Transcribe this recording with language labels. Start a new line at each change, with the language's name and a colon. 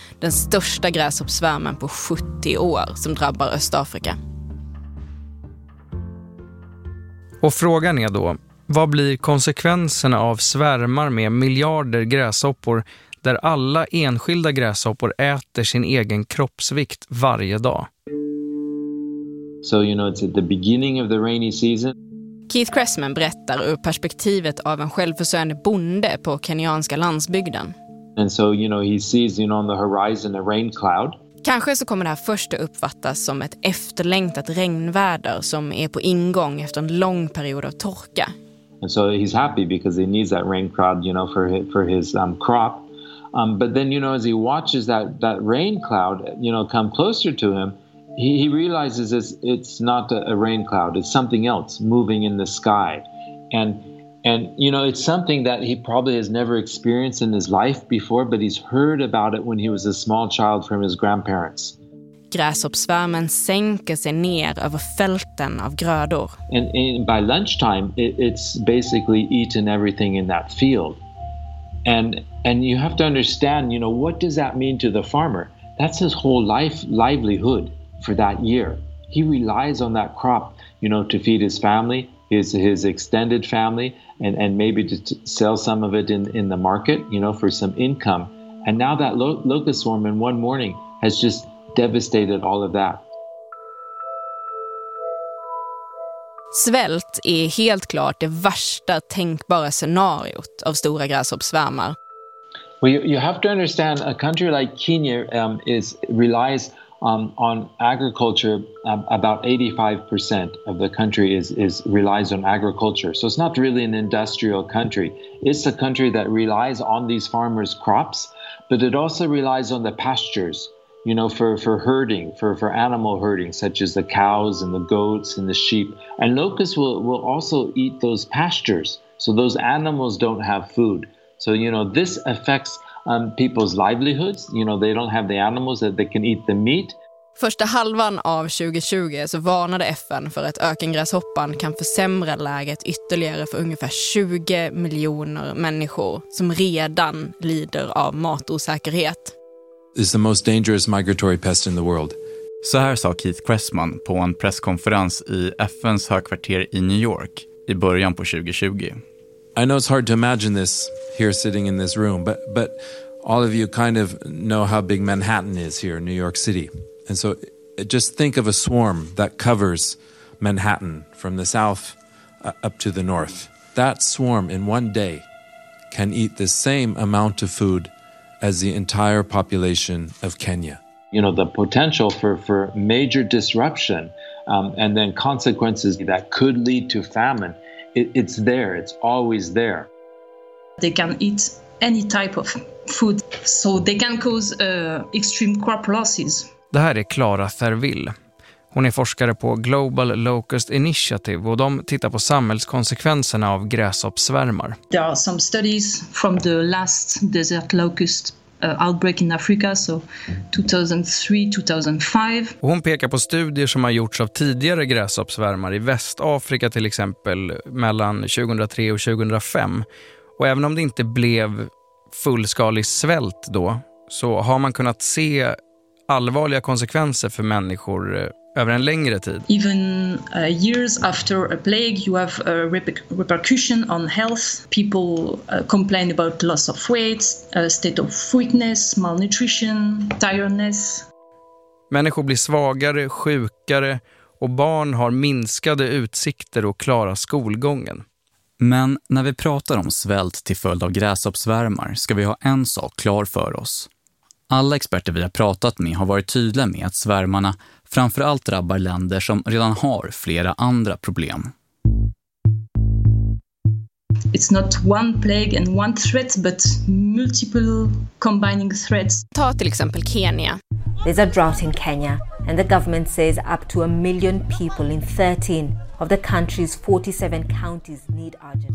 Swedish: Den största gräshoppsvärmen på 70 år som drabbar Östafrika. Och frågan är då, vad blir konsekvenserna av svärmar med miljarder gräshoppor där alla enskilda gräshoppor äter sin egen kroppsvikt varje dag?
English: So you know it's at the beginning of the rainy season.
Swedish: Keith Cressman berättar ur perspektivet av en självförsörjande bonde på kenyanska landsbygden.
English: And so you know he sees you know on the horizon a rain cloud.
Swedish: Kanske så kommer det här först att uppfattas som ett efterlängtat regnväder som är på ingång efter en lång period av torka.
English: And so he's happy because he needs that rain cloud, you know, for his crop. But then you know as he watches that rain cloud, you know, come closer to him, he realizes it's not a rain cloud, it's something else moving in the sky. And you know, it's something that he probably has never experienced in his life before, but he's heard about it when he was a small child from his grandparents.
Swedish: Gräshoppsvärmen sänker sig ner över fälten av grödor.
English: And by lunchtime, it's basically eaten everything in that field. And you have to understand, you know, what does that mean to the farmer? That's his whole life, livelihood for that year. He relies on that crop, you know, to feed his family, his extended family, and maybe to sell some of it in the market, you know, for some income. And now that locust swarm in one morning has just devastated all of that.
Swedish: Svält är helt klart det värsta tänkbara scenariot av stora gräshoppsvärmar.
English: Well, you have to understand a country like Kenya relies on agriculture, about 85% of the country is relies on agriculture. So it's not really an industrial country. It's a country that relies on these farmers' crops, but it also relies on the pastures, you know, for herding, for animal herding, such as the cows and the goats and the sheep. And locusts will also eat those pastures, so those animals don't have food. So, you know, this affects people's livelihoods, you know, they don't have the animals that they can eat the meat.
Swedish: Första halvan av 2020 så varnade FN för att ökengräshoppan kan försämra läget ytterligare för ungefär 20 miljoner människor som redan lider av matosäkerhet.
English: It's the most dangerous migratory pest in the world.
Swedish: Så här sa Keith Cressman på en presskonferens i FN:s högkvarter i New York i början på 2020.
English: I know it's hard to imagine this here sitting in this room, but all of you kind of know how big Manhattan is here in New York City. And so just think of a swarm that covers Manhattan from the south up to the north. That swarm in one day can eat the same amount of food as the entire population of Kenya. You know, the potential for major disruption and then consequences that could lead to famine, it's there, it's always there. They can eat any type of food, so they can cause extreme crop losses.
Swedish: Det här är Clara Therville. Hon är forskare på Global Locust Initiative och de tittar på samhällskonsekvenserna av gräshoppsvärmar.
English: There are some studies from the last desert locust outbreak in Africa, so 2003-2005.
Swedish: Hon pekar på studier som har gjorts av tidigare gräshoppsvärmar i Västafrika till exempel mellan 2003 och 2005. Och även om det inte blev fullskalig svält då, så har man kunnat se allvarliga konsekvenser för människor över en längre tid.
English: Even years after a plague, you have a repercussion on health. People complain about loss of weight, state of weakness, malnutrition, tiredness.
Swedish: Människor blir svagare, sjukare och barn har minskade utsikter att klara skolgången. Men när vi pratar om svält till följd av gräshoppsvärmar ska vi ha en sak klar för oss. Alla experter vi har pratat med har varit tydliga med att svärmarna framförallt drabbar länder som redan har flera andra problem.
English: It's not one plague and one threat, but multiple combining threats.
Swedish: Ta till exempel Kenya.
English: There's a drought in Kenya and the government says up to 1 million people in 13 of the country's 47 counties need urgent